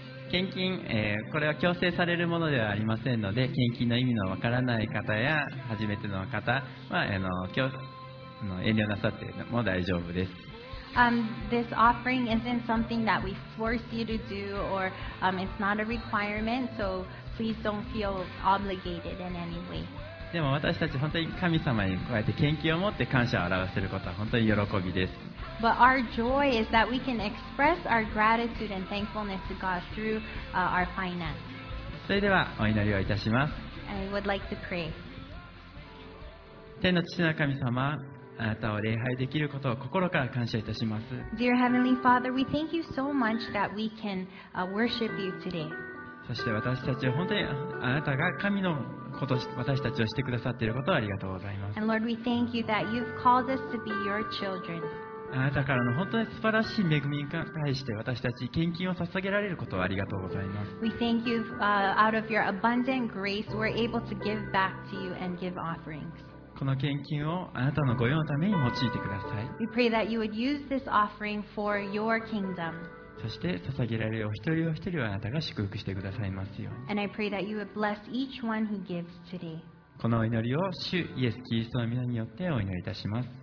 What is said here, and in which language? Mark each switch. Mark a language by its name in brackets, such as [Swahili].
[Japanese] 献金、これは強制されるものではありませんので、献金の意味のわからない方や初めての方は、遠慮なさっても大丈夫です。 [English] This offering isn't something that we force you to do, or it's not a requirement. So please don't feel obligated in any way. [Japanese] でも私たち本当に神様にこうやって献金を持って感謝を表せることは本当に喜びです。 [English] But our joy is that we can express our gratitude and thankfulness to God through our finance. [Japanese] それではお祈りをいたします。 [English] I would like to pray. [Japanese] 天の父なる神様。あなたを礼拝できることを心から感謝いたします。 [English] Dear Heavenly Father, we thank you so much that we can worship you today. [Japanese] そして私たちは本当にあなたが神のことを私たちをしてくださっていることをありがとうございます。 [English] And Lord, we thank you that you've called us to be your children. [Japanese] あなたからの本当に素晴らしい恵みに対して私たち献金を捧げられることをありがとうございます。 [English] We thank you out of your abundant grace, we're able to give back to you and give offerings. [Japanese] この献金をあなたの御用のために用いてください。 [English] We pray that you would use this offering for your kingdom. [Japanese] そして捧げられるお一人お一人をあなたが祝福してくださいますように。 [English] And I pray that you would bless each one who gives today. [Japanese] このお祈りを主イエスキリストの御名によってお祈りいたします。